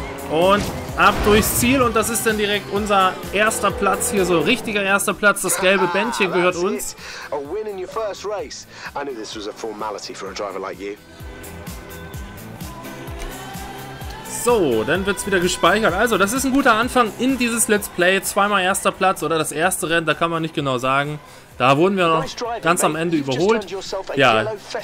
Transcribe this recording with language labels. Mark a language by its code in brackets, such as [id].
[de] Und ab durchs Ziel. Und das ist dann direkt unser erster Platz hier. So richtiger erster Platz. Das gelbe Bändchen gehört uns. [en] A win in your first race. I knew this was a formality for a driver like you. [de] So, dann wird es wieder gespeichert. Also, das ist ein guter Anfang in dieses Let's Play. Zweimal erster Platz oder das erste Rennen, da kann man nicht genau sagen. Da wurden wir noch ganz am Ende überholt. Ja.